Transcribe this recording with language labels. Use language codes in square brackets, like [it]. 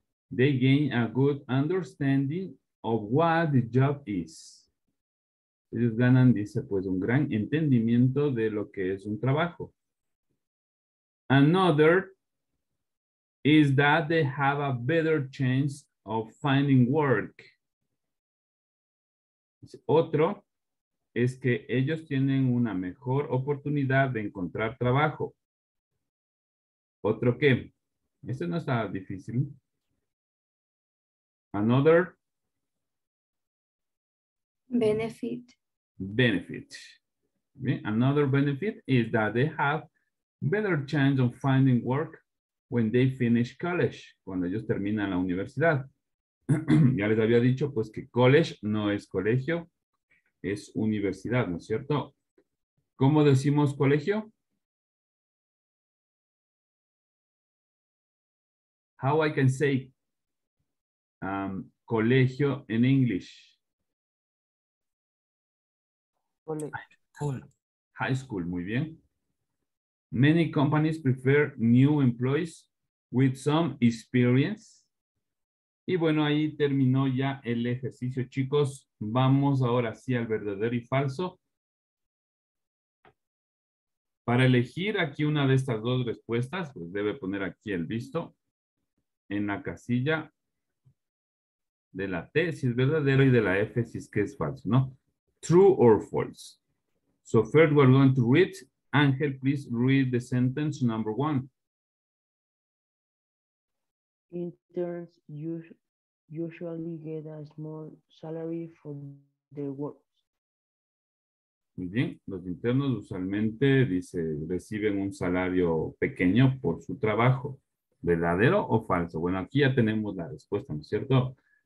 [en] They gain a good understanding of what the job is. [es] Ellos ganan, dice, pues un gran entendimiento de lo que es un trabajo. [en] Another is that they have a better chance of finding work. [es] Otro es que ellos tienen una mejor oportunidad de encontrar trabajo. Otro que, este no está difícil. Another. [en] Benefit. Benefit. Another benefit is that they have better chance of finding work when they finish college, [es] cuando ellos terminan la universidad. Ya les había dicho, pues, que college no es colegio, es universidad, ¿no es cierto? ¿Cómo decimos colegio? [en] How I can say colegio in English? School. [es] High school, muy bien. [en] Many companies prefer new employees with some experience. [es] Y bueno, ahí terminó ya el ejercicio, chicos. Vamos ahora sí al verdadero y falso. Para elegir aquí una de estas dos respuestas, pues debe poner aquí el visto en la casilla de la T, si es verdadero, y de la F, si es que es falso, ¿no? [en] True or false. So first we're going to read. Ángel, please read the sentence number one. Interns usually get a small salary for their work. [es] Muy bien, los internos usualmente, dice, reciben un salario pequeño por su trabajo. ¿Verdadero o falso? Bueno, aquí ya tenemos la respuesta, ¿no es cierto?